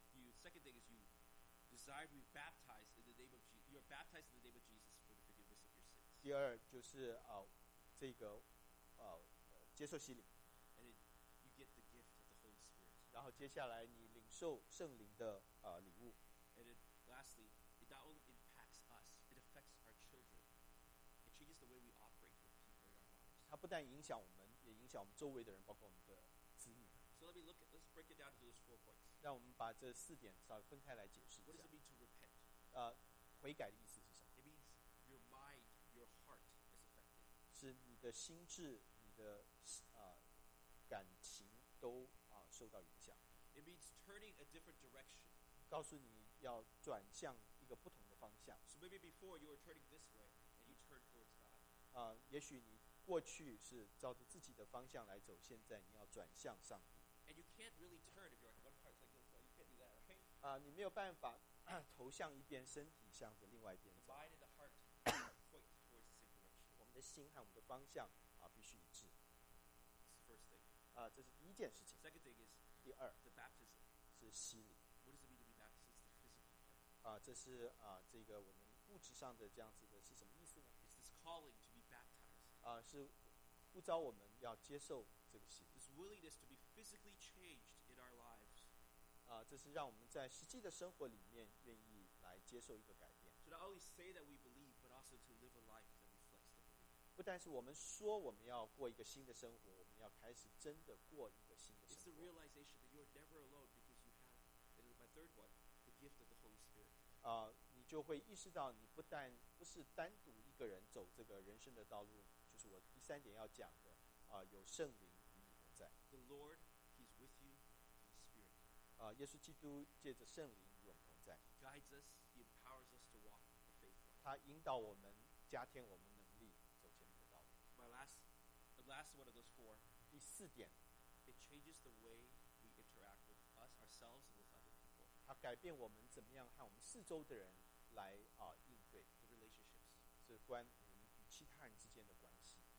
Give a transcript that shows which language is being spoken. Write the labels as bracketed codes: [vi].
[en] You, second thing is youDesire to be baptized in the name of Jesus. You are baptized in the name of Jesus for the forgiveness of your sins. [zh] 第二就是这个接受洗礼。 [en] And it, you get the gift of the Holy Spirit. [zh] 然后接下来你领受圣灵的礼物。 [en] And it, lastly, it not only impacts us, it affects our children. It changes the way we operate with people in our lives. [zh] 它不但影响我们，也影响我们周围的人，包括我们的子女。 [en] So let me look at, let's break it down to those four points. [zh] 让我们把这四点稍微分开来解释一下。 [en] What does it mean to repent? [zh] 悔改的意思是什么？ [en] It means your mind, your heart is affected. [zh] 是你的心智，你的感情都受到影响。 [en] It means turning a different direction. [zh] 告诉你要转向一个不同的方向。 [en] So maybe before you were turning this way and you turned towards God. [zh] 也许你过去是照着自己的方向来走，现在你要转向上。 [en] And you can't really turn if you're like one part like this. So you can't do that, right? [zh] 你没有办法头向一边，身体向着另外一边走。 [en] The mind and the heart point towards the same direction. [zh] 我们的心和我们的方向必须一致。 [en] This is the first thing. [zh] 这是第一件事情。 [en] Second thing is [zh] 第二 [en] the baptism [zh] 是洗礼。 [en] What does it mean to be baptized? It's the physical part. [zh] 这是这个我们物质上的这样子的是什么意思呢？ [en] It's this calling to be baptized. [zh] 是呼召我们要接受。这个、 [en] This willingness to be physically changed in our lives. [zh] 这是让我们在实际的生活里面愿意来接受一个改变。 [en] So not only say that we believe, but also to live a life that reflects the belief. [zh] 不但是我们说我们要过一个新的生活，我们要开始真的过一个新的生活。 [en] It's the realization that you are never alone because you have, and my third one, the gift of the Holy Spirit. [zh] 你就会意识到你不但不是单独一个人走这个人生的道路，就是我第三点要讲的。有圣灵与你同在。 [en] The Lord, He's with you, the Spirit. [zh] 耶稣基督借着圣灵与我们同在。 [en] He guides us, He empowers us to walk the faith life. [zh] 他引导我们，加添我们能力，走前面的道路。 [en] The last one of those four. [zh] 第四点。 [en] It changes the way we interact with us, ourselves, and with other people. [zh] 它改变我们怎么样和我们四周的人来应对。 [en] The relationships. [zh] 是关我们与其他人之间的关系。